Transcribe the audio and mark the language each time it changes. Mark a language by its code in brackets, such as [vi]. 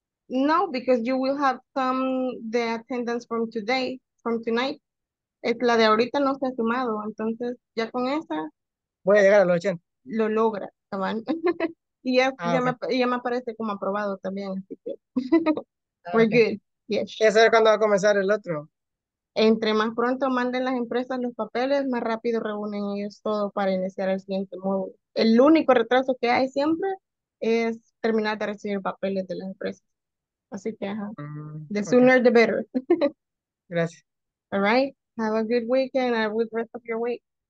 [en] No, because you will have some the attendance from today, from tonight. [es] Es la de ahorita no se ha sumado, entonces ya con esa voy a llegar a los 80. Lo logra, cabrón. Y ya, ya me aparece como aprobado también, así que [en] we're okay. Good. Yes. [es] ¿Ya sabes cuándo va a comenzar el otro? Entre más pronto manden las empresas los papeles, más rápido reúnen ellos todo para iniciar el siguiente módulo. El único retraso que hay siempre es terminar de recibir papeles de las empresas. Así que ajá. [en] The sooner okay. The better. [es] Gracias. [en] All right. Have a good weekend and a good rest of your week.